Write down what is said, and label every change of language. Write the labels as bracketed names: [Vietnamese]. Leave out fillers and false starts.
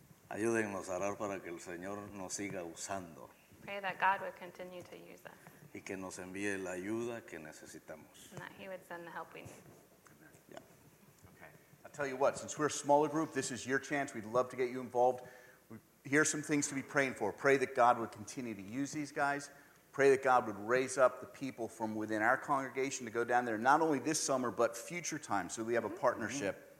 [Spanish] Ayúdennos a orar para que el Señor nos siga usando. [English] Pray that God would continue to use us. [Spanish] Y que nos envíe la ayuda que necesitamos. [English] And that he would send the help we need. Tell you what, since we're a smaller group, this is your chance. We'd love to get you involved. Here are some things to be praying for. Pray that God would continue to use these guys. Pray that God would raise up the people from within our congregation to go down there, not only this summer, but future times, so we have a partnership.